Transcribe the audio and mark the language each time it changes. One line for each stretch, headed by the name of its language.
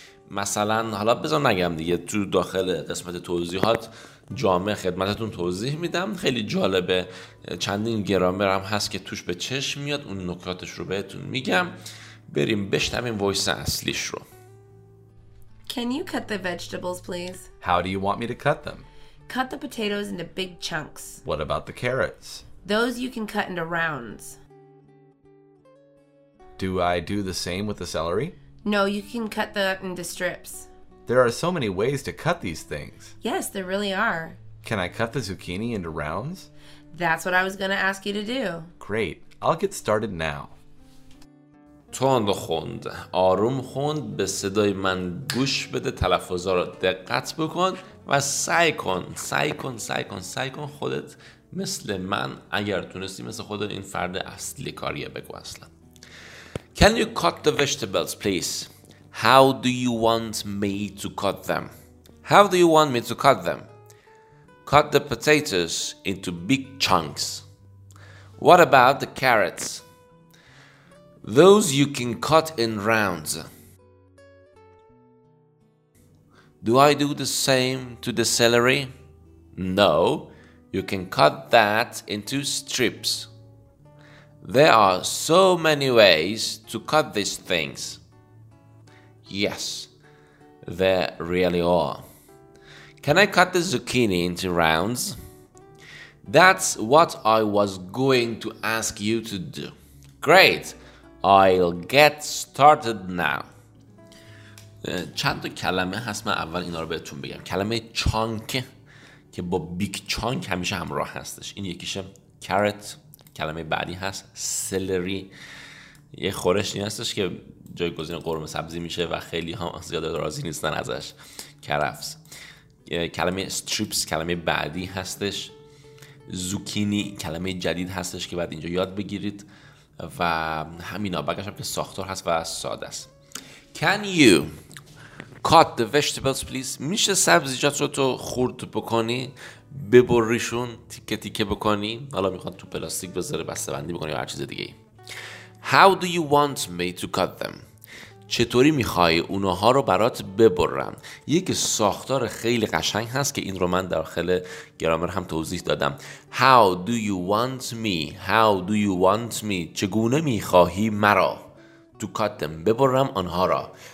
Persian: مثلا حالا بذار نگم دیگه، تو داخل قسمت توضیحات جامع خدمتتون توضیح میدم. خیلی جالبه، چندین گرامر هم هست که توش به چشم میاد، اون نکاتش رو بهتون میگم. بریم بشنویم وایس اصلیش رو.
English: Can you cut the vegetables, please? How do you want me to cut them? Cut the potatoes into big chunks. What about the carrots? Those you can cut into rounds. Do I do the same with the celery? No, you can cut that into strips. There are so many ways to cut these things. Yes, there really are. Can I cut the zucchini into rounds? That's what I was going to ask you to do. Great. I'll get started now.
Persian: تند خوند، آروم خوند، به صدای من گوش بده، تلفظا رو دقت بکن و سعی کن سعی کن سعی کن سعی کن خودت مثل من، اگر تونستی مثل خودت، این فرد اصلی کاریه، بگو اصلا.
English: Can you cut the vegetables please? How do you want me to cut them? How do you want me to cut them? Cut the potatoes into big chunks. What about the carrots? Those you can cut in rounds. Do I do the same to the celery? No, you can cut that into strips. There are so many ways to cut these things. Yes, there really are. Can I cut the zucchini into rounds? That's what I was going to ask you to do. Great! I'll get started now.
Persian: چند تا کلمه هست، من اول اینا رو بهتون بگم. کلمه چانک که با بیگ چانک همیشه همراه هستش، این یکیشه. کارت کلمه بعدی هست، سلری یه خورشتی هستش که جایگزین قرمه سبزی میشه و خیلی ها زیاد راضی نیستن ازش. کرفس کلمه استریپس کلمه بعدی هستش. زوکینی کلمه جدید هستش که بعد اینجا یاد بگیرید و همینا. بگش هم که ساختار هست و ساده است.
English: Can you cut the vegetables please?
Persian: میشه سبزیجات رو تو خورد بکنی، ببریشون، تیکه تیکه بکنی، حالا میخواد تو پلاستیک بذاره، بسته‌بندی بکنی یا هر چیز دیگه.
English: How do you want me to cut them?
Persian: چطوری میخوای اونها رو برات ببرم؟ یک ساختار خیلی قشنگ هست که این رو من داخل گرامر هم توضیح دادم.
English: How do you want me? How do you want me?
Persian: چگونه میخواهی مرا؟
English: To cut them.
Persian: ببرم آنها را.